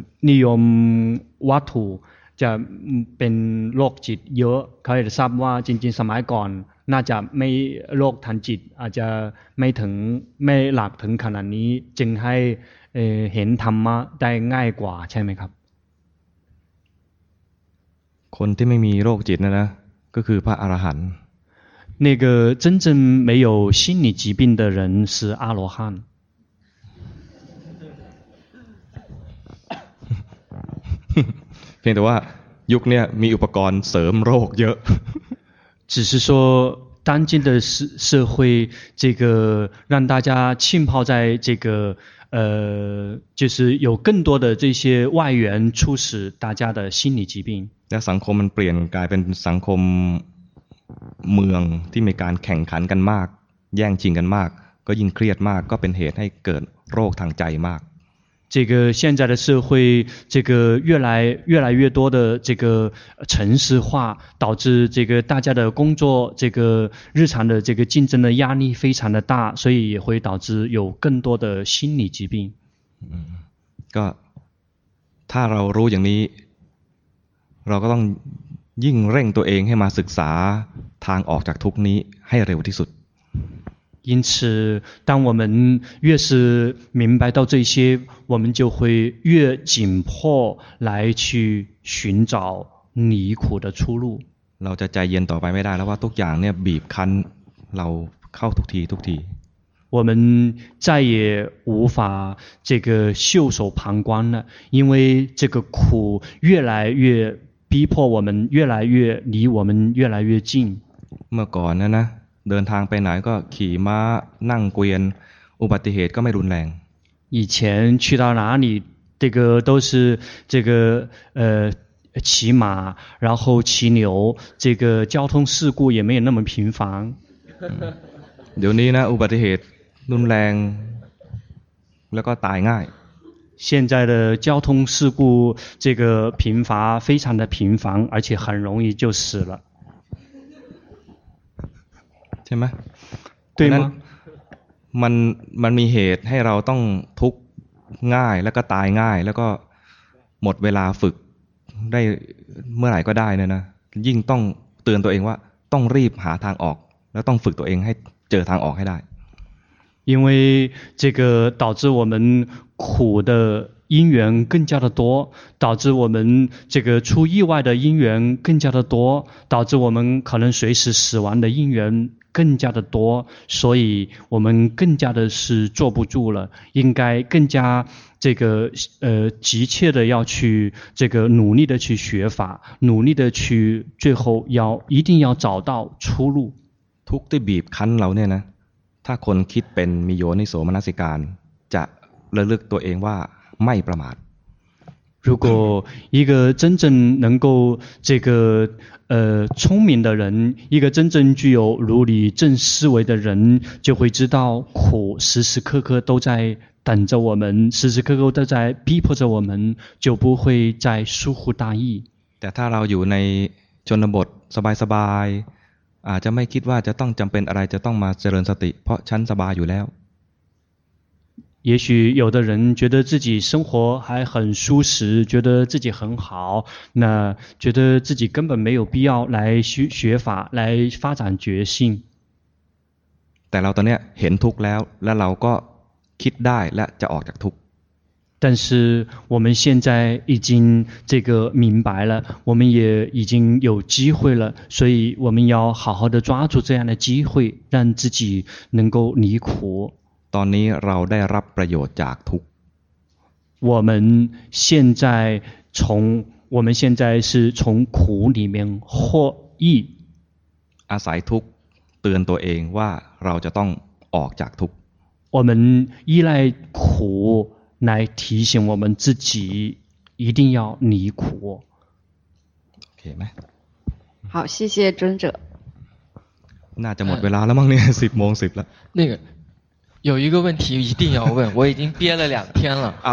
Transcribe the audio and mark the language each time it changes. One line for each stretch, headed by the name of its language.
Thai: นิยมวัตถุจะเป็นโรคจิตเยอะเขาจะทราบว่าจริงๆสมัยก่อนน่าจะไม่โรคทางจิตอาจจะไม่ถึงไม่หลากถึงขนาดนี้จึงให้เห็นธรรมะได้ง่ายกว่าใช่ไหมครับ คนที่ไม่มีโรคจิตนะนะก็คือพระอรหันต์
Chinese: 那个真正没有心理疾病的人是阿罗汉。听到哇，
Thai: ยุคเนี้ยมีอุปกรณ์เสริมโรคเยอะ。
Chinese: 只是说，当今的社会，这个让大家浸泡在这个就是有更多的这些外援促使大家的心理疾病。
Thai: แล้วสังคมมันเปลี่ยนกลายเป็นสังคมเมืองที่มีการแข่งขันกันมากแย่งชิงกันมากก็ยิ่งเครียดมากก็เป็นเหตุให้เกิดโรคทางใจมาก
Chinese: 这个现在的社会这个越来越多的这个城市化导致这个大家的工作这个日常的这个竞争的压力非常的大所以也会导致有更多的心理疾病
Thai: ก็ถ้าเรารู้อย่างนี้เราก็ต้องยิ่งเร่งตัวเองให้มาศึกษาทางออกจากทุกนี้ให้เร็วที่สุด
Chinese: 因此当我们越是明白到这些我们就会越紧迫来去寻找离苦的出路
Thai: เราจะใจเย็นต่อไปไม่ได้แล้วว่าทุกอย่างเนี่ยบีบคั้นเราเข้าทุกที
Chinese: 我们再也无法这个袖手旁观了，因为这个苦越来越逼迫我们，越来越离我们越来越近。
Thai: เมื่อก่อนนั้นนะเดินทางไปไหนก็ขี่ม้านั่งเกวียนอุบัติเหตุก็ไม่รุนแรง
Chinese: 以前去到哪里这个都是这个骑马然后骑牛这个交通事故也没有那么频繁
Thai: เดี๋ยวนี้นะอุบัติเหตุรุนแรงแล้วก็ตายง่าย
Chinese: 现在的交通事故这个频发非常的频繁而且很容易就死了
Thai: ใช่ไหม
Chinese: 对吗
Thai: มันมีเหตุให้เราต้องทุกข์ง่ายแล้วก็ตายง่ายแล้วก็หมดเวลาฝึกได้เมื่อไหร่ก็ได้นะยิ่งต้องเตือนตัวเองว่าต้องรีบหาทางออกแล้วต้องฝึกตัวเองใหเจอทางออกให้ได้
Chinese: 因为这个导致我们苦的因缘更加的多导致我们这个出意外的因缘更加的多导致我们可能随时死亡的因缘更加的多所以我们更加的是坐不住了应该更加这个急切的要去这个努力的去学法努力的去最后要一定要找到出路
Thai: ทุกที่บีบคั้นเราเนี่ยนะถ้าคนคิดเป็นมีโยนิโสมนสิการจะระลึกตัวเองว่าไม่ประมาท
Chinese: 如果一个真正能够这个聪明的人一个真正具有如理正思维的人就会知道苦时时刻刻都在等着我们时时刻刻都在逼迫着我们就不会再疏忽大意
Thai: แต่ถ้าเราอยู่ในชนบทสบายสบายอาจจะไม่คิดว่าจะต้องจำเป็นอะไรจะต้องมาเจริญสติเพราะฉันสบายอยู่แล้ว
Chinese: 也许有的人觉得自己生活还很舒适觉得自己很好那觉得自己根本没有必要来学法来发展觉性
Thai: แต่เราตอนนี้เห็นทุกข์แล้วและเราก็คิดได้และจะออกจากทุกข์
Chinese: 但是我们现在已经这个明白了我们也已经有机会了所以我们要好好的抓住这样的机会让自己能够离苦
Thai: ตอนนี้เราได้รับประโยชน์จากทุกข์
Chinese: 我们现在是从苦里面获益
Thai: อาศัยทุกข์เตือนตัวเองว่าเราจะต้องออกจากทุกข์
Chinese: 我们依赖苦来提醒我们自己一定要离苦可以吗好谢谢尊者那就没了吗10:10了那个有一个问题一定要问我已经憋了两天了